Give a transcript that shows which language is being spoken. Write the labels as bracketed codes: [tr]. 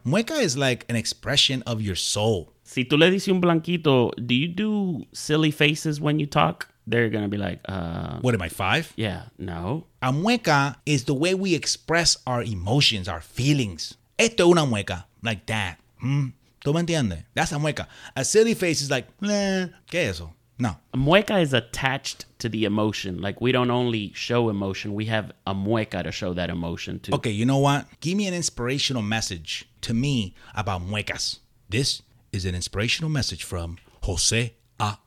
[en] Mueca is like an expression of your soul. [es] Si tú le dices un blanquito, [en] do you do silly faces when you talk? They're going to be like, what am I, five? Yeah, no. A mueca is the way we express our emotions, our feelings. [es] Esto es una mueca, [en] like that. [es] Hmm. ¿Tú me entiendes? [en] That's a mueca. A silly face is like, [es] ¿qué es eso? [en] No. A mueca is attached to the emotion. Like, we don't only show emotion. We have a mueca to show that emotion to. Okay, you know what? Give me an inspirational message to me about muecas. This is an inspirational message from Jose A.